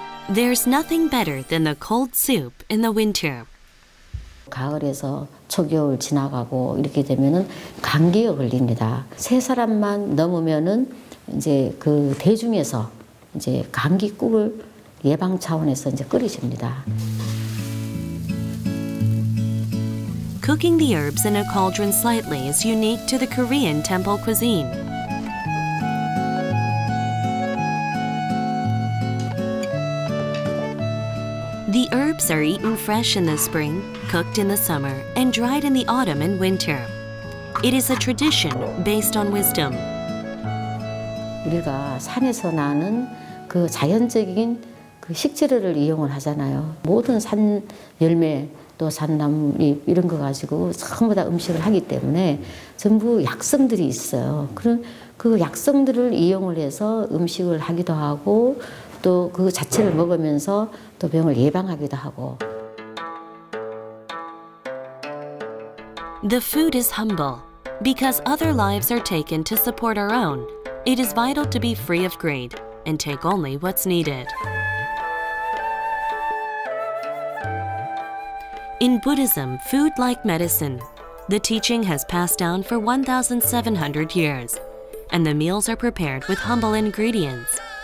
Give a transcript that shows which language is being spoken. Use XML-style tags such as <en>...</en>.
<en>There's nothing better than the cold soup in the winter.</en> <ko>가을에서 초겨울 지나가고 이렇게 되면은 감기에 걸립니다. 세 사람만 넘으면은 이제 그 대중에서 이제 감기국을 예방 차원에서 이제 끓이십니다.</ko> <en>Cooking the herbs in a cauldron slightly is unique to the Korean temple cuisine. The herbs are eaten fresh in the spring, cooked in the summer, and dried in the autumn and winter. It is a tradition based on wisdom.</en> <ko>우리가 산에서 나는 그 자연적인 그 식재료를 이용을 하잖아요. 모든 산 열매 또 산나무 이런 거 가지고 전부 다 음식을 하기 때문에 전부 약성들이 있어요. 그런 그 약성들을 이용을 해서 음식을 하기도 하고 또 그 자체를 먹으면서 또 병을 예방하기도 하고.</ko> <en>The food is humble because other lives are taken to support our own. It is vital to be free of greed and take only what's needed. In Buddhism, food like medicine, the teaching has passed down for 1,700 years, and the meals are prepared with humble ingredients.</en>